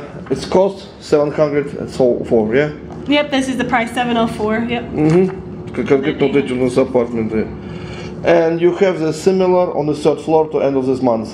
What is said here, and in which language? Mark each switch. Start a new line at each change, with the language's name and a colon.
English: It's cost 700 and so forth, yeah? Yep, this is the price, 704, yep. Mm-hmm.
Russian: Конкретно вот эти у нас апартменты.
English: And you have the similar on the third floor to end of this month.